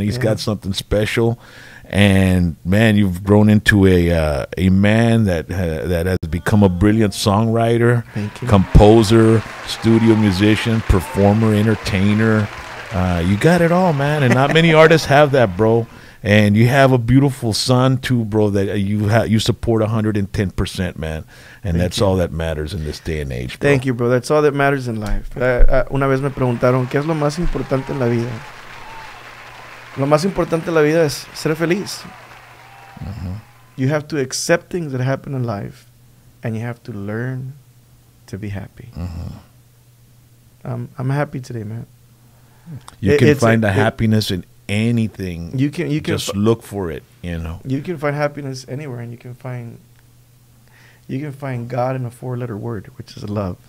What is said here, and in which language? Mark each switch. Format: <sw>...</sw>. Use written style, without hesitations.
<en>He's got something special. And, man, you've grown into a man that has become a brilliant songwriter, composer, studio musician, performer, entertainer. You got it all, man. And not many artists have that, bro. And you have a beautiful son, too, bro, that you support 110%, man. And that's all that matters in this day and age, bro. Thank you, bro. That's all that matters in life.</en> <es>Una vez me preguntaron, ¿qué es lo más importante en la vida? Lo más importante en la vida es ser feliz.</es> <en>You have to accept things that happen in life, and you have to learn to be happy. I'm happy today, man. You can find happiness in anything. You can just look for it, you know. You can find happiness anywhere, and you can find God in a four-letter word, which is love.</en>